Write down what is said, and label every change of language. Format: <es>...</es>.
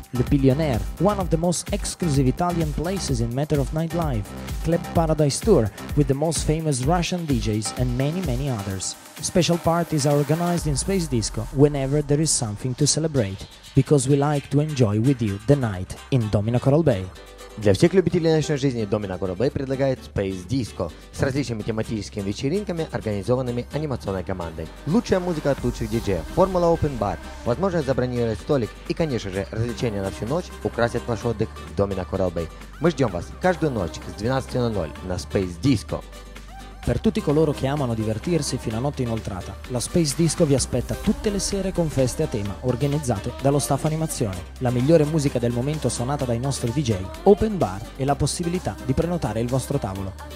<en>Le Billionaire, one of the most exclusive Italian places in matter of nightlife. Club Paradise Tour, with the most famous Russian DJs, and many, many others. Special parties are organized in Space Disco whenever there is something to celebrate, because we like to enjoy with you the night in Domino Coral Bay.</en> <ru>Для всех любителей ночной жизни Domino Coral Bay предлагает Space Disco с различными тематическими вечеринками, организованными анимационной командой. Лучшая музыка от лучших диджеев, формула Open Bar, возможность забронировать столик и, конечно же, развлечения на всю ночь украсят ваш отдых в Domino Coral Bay. Мы ждем вас каждую ночь с 12:00 на Space Disco.</ru> <it>Per tutti coloro che amano divertirsi fino a notte inoltrata, la Space Disco vi aspetta tutte le sere con feste a tema organizzate dallo staff animazione, la migliore musica del momento suonata dai nostri DJ, open bar e la possibilità di prenotare il vostro tavolo.</it>